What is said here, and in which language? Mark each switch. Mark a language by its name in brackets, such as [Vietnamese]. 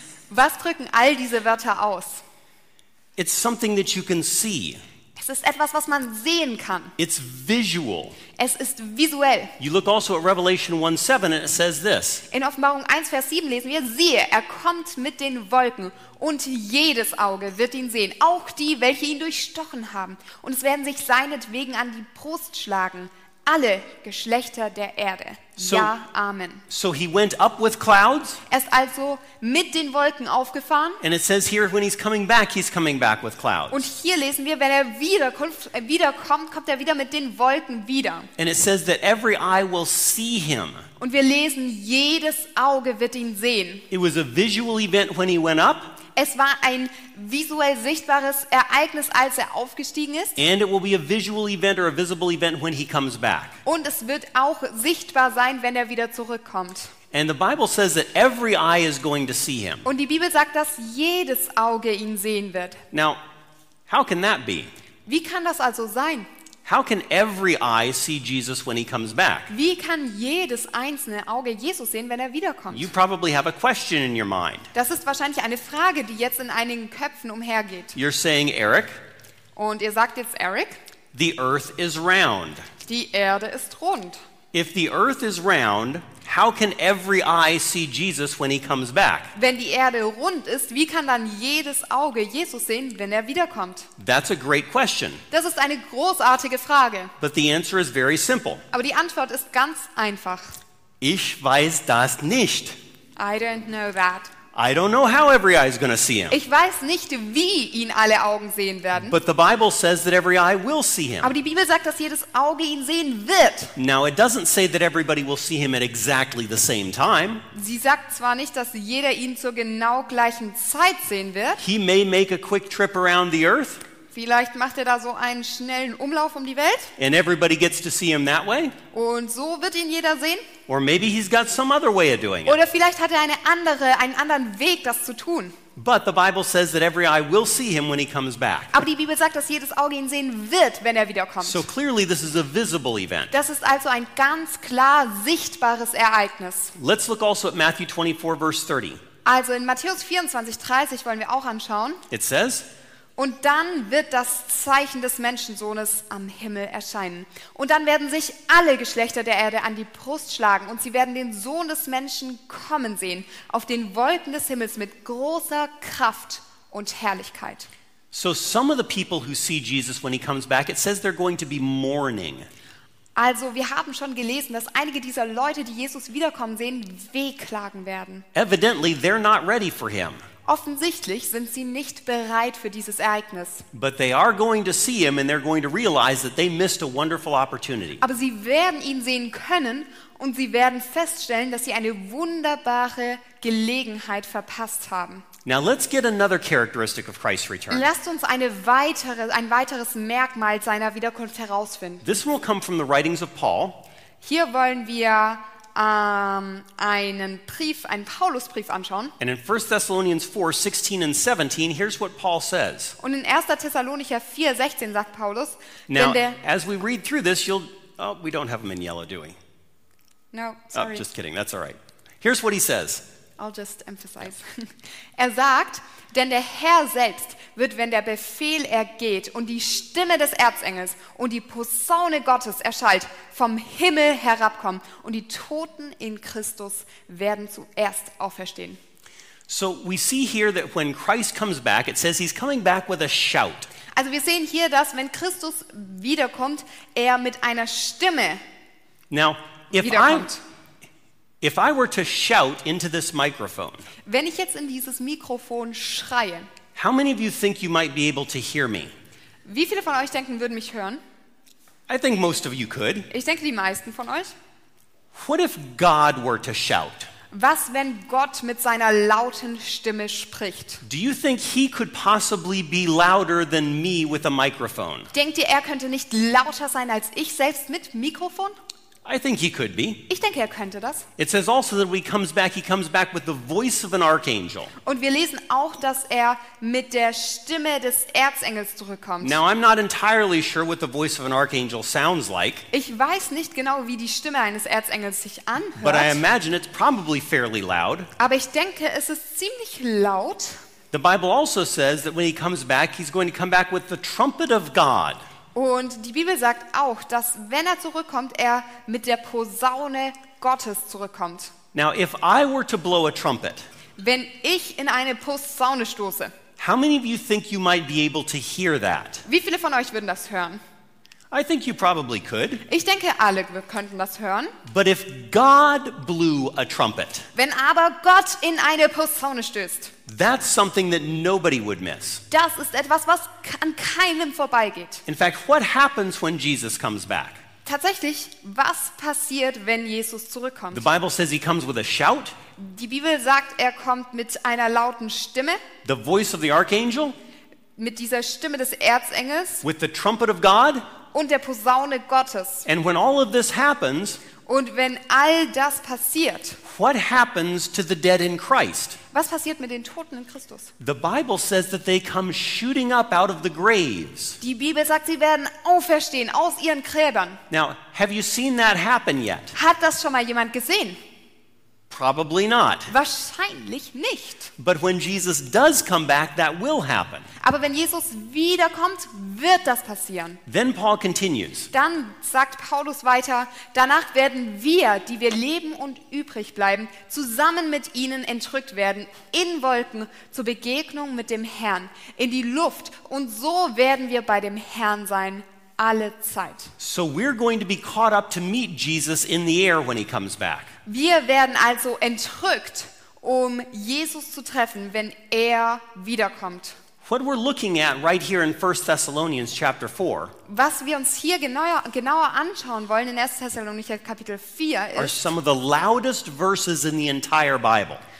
[German] Was drücken all diese Wörter aus? [English] It's something that you can see. [German] Es ist etwas, was man sehen kann. [English] It's visual. [German] Es ist visuell. [English] You look also at Revelation 1:7 and it says this. [German] In Offenbarung 1 Vers 7 lesen wir, siehe, er kommt mit den Wolken und jedes Auge wird ihn sehen, auch die, welche ihn durchstochen haben, und es werden sich seinetwegen an die Brust schlagen alle Geschlechter der Erde. [English] So, [German] ja, Amen. [English] So he went up with clouds. [German] Er ist also mit den Wolken aufgefahren. [English] And it says here when he's coming back with clouds. [German] Und hier lesen wir, wenn er wiederkommt, kommt er wieder mit den Wolken wieder. [English] And it says that every eye will see him. [German] Und wir lesen, jedes Auge wird ihn sehen. [English] It was a visual event when he went up. [German] Es war ein visuell sichtbares Ereignis, als er aufgestiegen ist. [English] And it will be a visual event or a visible event when he comes back. [German] Und es wird auch sichtbar sein, wenn er wieder zurückkommt. [English] And the Bible says that every eye is going to see him. [German] Und die Bibel sagt, dass jedes Auge ihn sehen wird. [English] Now, how can that be? [German] Wie kann das also sein? [English] How can every eye see Jesus when he comes back? [German] Wie kann jedes einzelne Auge Jesus sehen, wenn er wiederkommt? [English] You probably have a question in your mind. [German] Das ist wahrscheinlich eine Frage, die jetzt in einigen Köpfen umhergeht. [English] You're saying, Eric? [German] Und ihr sagt jetzt, Eric? [English] The earth is round. [German] Die Erde ist rund. [English] If the earth is round, how can every eye see Jesus when he comes back? [German] Wenn die Erde rund ist, wie kann dann jedes Auge Jesus sehen, wenn er wiederkommt? [English] That's a great question. [German] Das ist eine großartige Frage. [English] But the answer is very simple. [German] Aber die Antwort ist ganz einfach. Ich weiß das nicht. [English] I don't know that. I don't know how every eye is going to see him. [German] Ich weiß nicht, wie ihn alle Augen sehen werden. [English] But the Bible says that every eye will see him. [German] Aber die Bibel sagt, dass jedes Auge ihn sehen wird. [English] Now it doesn't say that everybody will see him at exactly the same time. [German] Sie sagt zwar nicht, dass jeder ihn zur genau gleichen Zeit sehen wird. [English] He may make a quick trip around the earth. [German] Vielleicht macht er da so einen schnellen Umlauf um die Welt. [English] And everybody gets to see him that way. [German] Und so wird ihn jeder sehen. [English] Or maybe he's got some other way of doing it. [German] Oder vielleicht hat er einen anderen Weg, das zu tun. [English] But the Bible says that every eye will see him when he comes back. [German] Aber die Bibel sagt, dass jedes Auge ihn sehen wird, wenn er wiederkommt. [English] So clearly this is a visible event. [German] Das ist also ein ganz klar sichtbares Ereignis. [English] Let's look also at Matthew 24 verse 30. [German] Also in Matthäus 24, 30 wollen wir auch anschauen. [English] It says, [German] und dann wird das Zeichen des Menschensohnes am Himmel erscheinen. Und dann werden sich alle Geschlechter der Erde an die Brust schlagen und sie werden den Sohn des Menschen kommen sehen, auf den Wolken des Himmels mit großer Kraft und Herrlichkeit. [English] So some of the people who see Jesus when he comes back, it says they're going to be mourning. [German] Also wir haben schon gelesen, dass einige dieser Leute, die Jesus wiederkommen sehen, wehklagen werden. [English] Evidently they're not ready for him. [German] Offensichtlich sind sie nicht bereit für dieses Ereignis. [English] But they are going to see him and they're going to realize that they missed a wonderful opportunity. [German] Aber sie werden ihn sehen können und sie werden feststellen, dass sie eine wunderbare Gelegenheit verpasst haben. [English] Now let's get another characteristic of Christ's return. [German] Lasst uns ein weiteres Merkmal seiner Wiederkunft herausfinden. [English] This will come from the writings of Paul. [German] Hier wollen wir einen Paulusbrief anschauen. [English] And in 1 Thessalonians 4, 16 and 17, here's what Paul says. [German] Und in 1. Thessalonicher 4, 16 sagt Paulus, [English] now, [German] denn der, [English] as we read through this, you'll, oh, we don't have them in yellow, do we? No, sorry. Oh, just kidding, that's all right. Here's what he says. I'll just emphasize. [German] Er sagt, denn der Herr selbst wird, wenn der Befehl ergeht und die Stimme des Erzengels und die Posaune Gottes erschallt, vom Himmel herabkommen und die Toten in Christus werden zuerst auferstehen. [English] So we see here that when Christ comes back, it says he's coming back with a shout. [German] Also wir sehen hier, dass wenn Christus wiederkommt, er mit einer Stimme wiederkommt. [English] If I were to shout into this microphone, [German] wenn ich jetzt in dieses Mikrofon schreie, [English] how many of you think you might be able to hear me? [German] Wie viele von euch denken, würden mich hören? [English] I think most of you could. [German] Ich denke, die meisten von euch. [English] What if God were to shout? [German] Was, wenn Gott mit seiner lauten Stimme spricht? [English] Do you think he could possibly be louder than me with a microphone? [German] Denkt ihr, er könnte nicht lauter sein als ich selbst mit Mikrofon? [English] I think he could be. [German] Ich denke, er könnte das. [English] It says also that when he comes back with the voice of an archangel. [German] Und wir lesen auch, dass er mit der Stimme des Erzengels zurückkommt. [English] Now I'm not entirely sure what the voice of an archangel sounds like. [German] Ich weiß nicht genau, wie die Stimme eines Erzengels sich anhört. [English] But I imagine it's probably fairly loud. [German] Aber ich denke, es ist ziemlich laut. [English] The Bible also says that when he comes back, he's going to come back with the trumpet of God. [German] Und die Bibel sagt auch, dass wenn er zurückkommt, er mit der Posaune Gottes zurückkommt. [English] Now, if I were to blow a trumpet, [German] wenn ich in eine Posaune stoße, [English] how many of you think you might be able to hear that? [German] Wie viele von euch würden das hören? [English] I think you probably could. [German] Ich denke, alle könnten das hören. [English] But if God blew a trumpet, [German] wenn aber Gott in eine Posaune stößt, [English] that's something that nobody would miss. [German] Das ist etwas, was an keinem vorbeigeht. [English] In fact, what happens when Jesus comes back? [German] Tatsächlich, was passiert, wenn Jesus zurückkommt? [English] The Bible says he comes with a shout. [German] Die Bibel sagt, er kommt mit einer lauten Stimme. [English] The voice of the archangel. [German] Mit dieser Stimme des Erzengels. [English] With the trumpet of God. [German] Und der Posaune Gottes. [English] And when all of this happens, [German] und wenn all das passiert, [English] what happens to the dead in Christ? [German] Was passiert mit den Toten in Christus? [English] The Bible says that they come shooting up out of the graves. [German] Die Bibel sagt, sie werden auferstehen aus ihren Gräbern. [English] Now, have you seen that happen yet? [German] Hat das schon mal jemand gesehen? [English] Probably not. [German] Wahrscheinlich nicht. [English] But when Jesus does come back, that will happen. [German] Aber wenn Jesus wiederkommt, wird das passieren. [English] Then Paul continues. [German] Dann sagt Paulus weiter, danach werden wir, die wir leben und übrig bleiben, zusammen mit ihnen entrückt werden, in Wolken zur Begegnung mit dem Herrn, in die Luft, und so werden wir bei dem Herrn sein. Alle Zeit. [English] So we're going to be caught up to meet Jesus in the air when he comes back. [German] Wir werden also entrückt, um Jesus zu treffen, wenn er wiederkommt. [English] What we're looking at right here in 1 Thessalonians chapter 4. [German] Was wir uns hier genauer anschauen wollen in 1. Thessalonicher Kapitel 4 ist, [English] are some of the loudest verses in the entire Bible.